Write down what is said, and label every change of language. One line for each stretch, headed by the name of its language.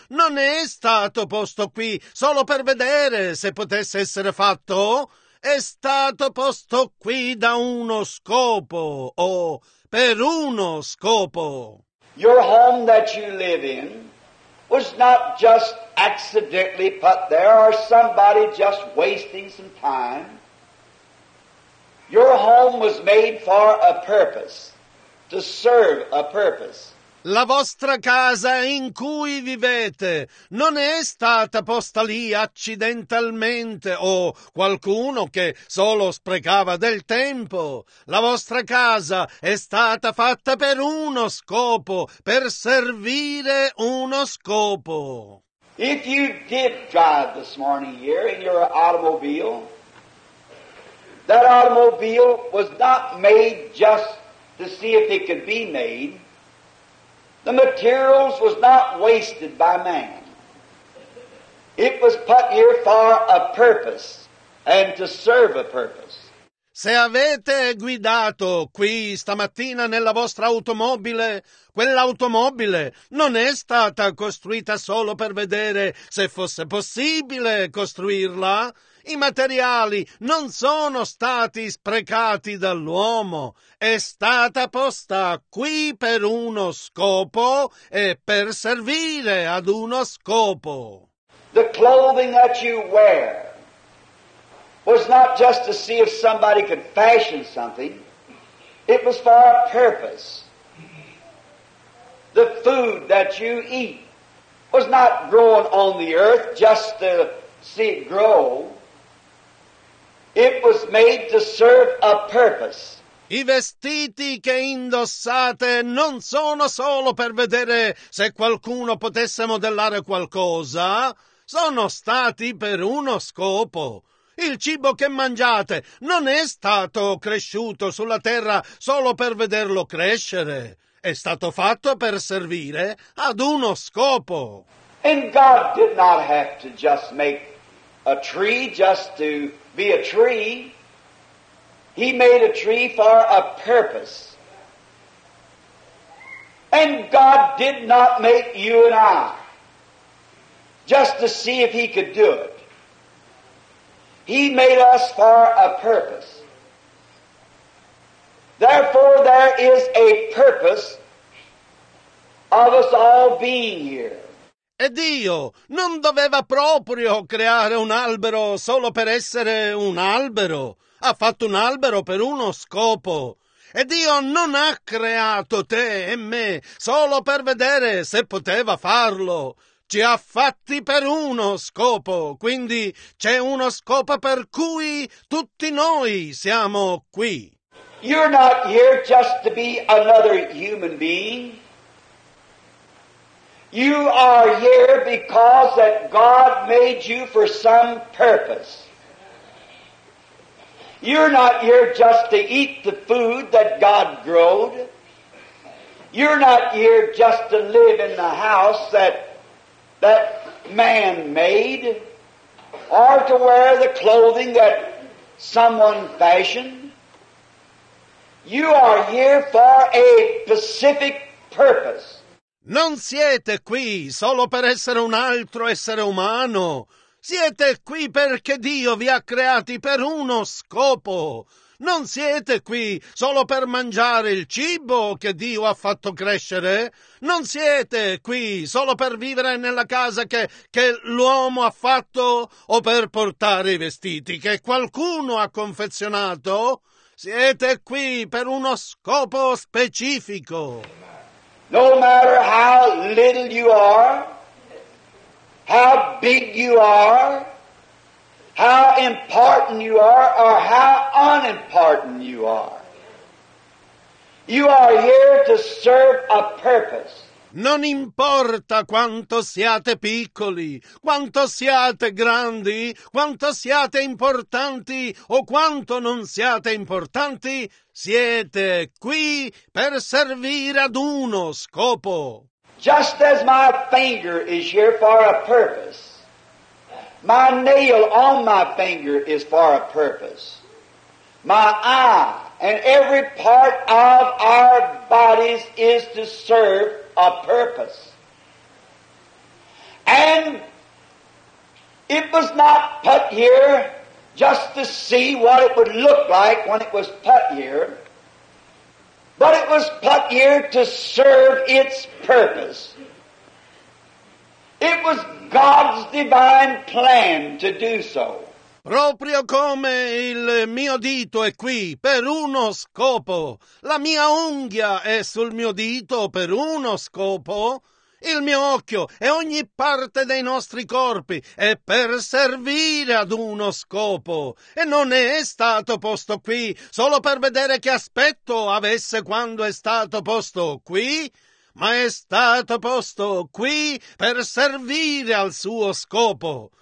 Italian: Non è stato posto qui solo per vedere se potesse essere fatto. È stato posto qui da uno scopo o per uno scopo.
English: Your home that you live in was not just accidentally put there or somebody just wasting some time. Your home was made for a purpose, to serve a purpose.
Italian: La vostra casa in cui vivete non è stata posta lì accidentalmente o qualcuno che solo sprecava del tempo. La vostra casa è stata fatta per uno scopo, per servire uno scopo.
English: If you did drive this morning here in your automobile, that automobile was not made just to see if it could be made. The materials was not wasted by man. It was put here for a purpose and to serve a purpose.
Italian: Se avete guidato qui stamattina nella vostra automobile, quell'automobile non è stata costruita solo per vedere se fosse possibile costruirla. I materiali non sono stati sprecati dall'uomo, è stata posta qui per uno scopo e per servire ad uno scopo.
English: The clothing that you wear was not just to see if somebody could fashion something, it was for a purpose. The food that you eat was not grown on the earth just to see it grow. It was made to serve a purpose.
Italian: I vestiti che indossate non sono solo per vedere se qualcuno potesse modellare qualcosa. Sono stati per uno scopo. Il cibo che mangiate non è stato cresciuto sulla terra solo per vederlo crescere. È stato fatto per servire ad uno scopo.
English: And God did not have to just make a tree just to be a tree. He made a tree for a purpose. And God did not make you and I just to see if He could do it. He made us for a purpose. Therefore, there is a purpose of us all being here.
Italian: E Dio non doveva proprio creare un albero solo per essere un albero. Ha fatto un albero per uno scopo. E Dio non ha creato te e me solo per vedere se poteva farlo. Ci ha fatti per uno scopo, quindi c'è uno scopo per cui tutti noi siamo qui.
English: You're not here just to be another human being. You are here because that God made you for some purpose. You're not here just to eat the food that God growed. You're not here just to live in the house that man made, or to wear the clothing that someone fashioned. You are here for a specific purpose.
Italian: Non siete qui solo per essere un altro essere umano. Siete qui perché Dio vi ha creati per uno scopo. Non siete qui solo per mangiare il cibo che Dio ha fatto crescere. Non siete qui solo per vivere nella casa che l'uomo ha fatto o per portare i vestiti che qualcuno ha confezionato. Siete qui per uno scopo specifico.
English: No matter how little you are, how big you are, how important you are, or how unimportant you are here to serve a purpose.
Italian: Non importa quanto siate piccoli, quanto siate grandi, quanto siate importanti o quanto non siate importanti, siete qui per servire ad uno scopo.
English: Just as my finger is here for a purpose, my nail on my finger is for a purpose, my eye and every part of our bodies is to serve a purpose. And it was not put here just to see what it would look like when it was put here, but it was put here to serve its purpose. It was God's divine plan to do so.
Italian: Proprio come il mio dito è qui per uno scopo, la mia unghia è sul mio dito per uno scopo, il mio occhio e ogni parte dei nostri corpi è per servire ad uno scopo e non è stato posto qui solo per vedere che aspetto avesse quando è stato posto qui, ma è stato posto qui per servire al suo scopo.